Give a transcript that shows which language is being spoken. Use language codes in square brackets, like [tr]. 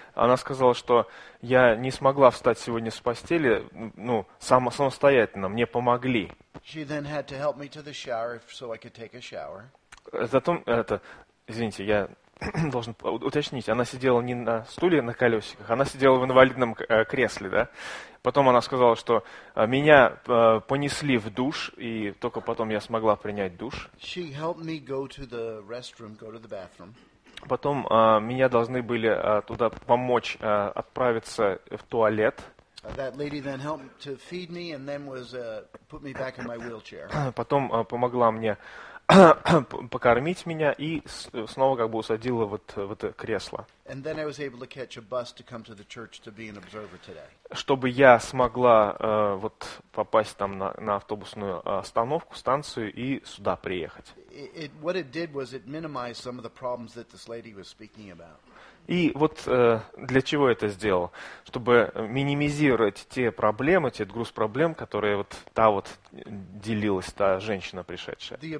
[ru] Она сказала, что я не смогла встать сегодня с постели, ну, самостоятельно, мне помогли. [en] She then had to help me to the shower so I could take a shower. [ru] Затем это, извините, я должен уточнить, она сидела не на стуле на колесиках, она сидела в инвалидном кресле, да? Потом она сказала, что меня понесли в душ, и только потом я смогла принять душ. [en] She helped me go to the restroom, go to the bathroom. [ru] Потом меня должны были туда помочь отправиться в туалет. [en] That lady then helped to feed me and then was put me back in my wheelchair. [ru] Потом помогла мне покормить меня и снова как бы усадила вот в это кресло. [en] And then I was able to catch a bus to come to the church to be an observer today. [ru] Чтобы я смогла вот попасть там на автобусную остановку, станцию и сюда приехать. [en] What it did was it minimized some of the problems that this lady was speaking about. [ru] И вот для чего я это сделал? Чтобы минимизировать те проблемы, тот груз проблем, которые вот та вот делилась, та женщина пришедшая.